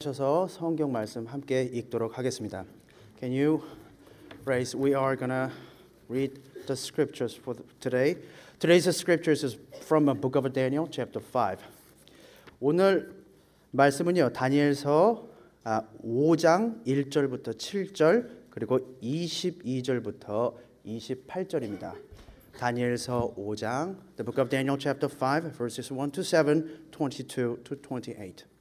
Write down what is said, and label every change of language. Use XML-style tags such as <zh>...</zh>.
<ko>하셔서 성경 말씀 함께 읽도록 하겠습니다.</ko> <en>Can you raise? We are gonna read the scriptures for today. Today's scriptures is from a book of Daniel, chapter 5.</en> <ko>오늘 말씀은요 다니엘서 5장 1절부터 7절 그리고 22절부터 28절입니다. 다니엘서 5장,</ko> <en>the book of Daniel, chapter 5, verses 1-7, 22-28.</en>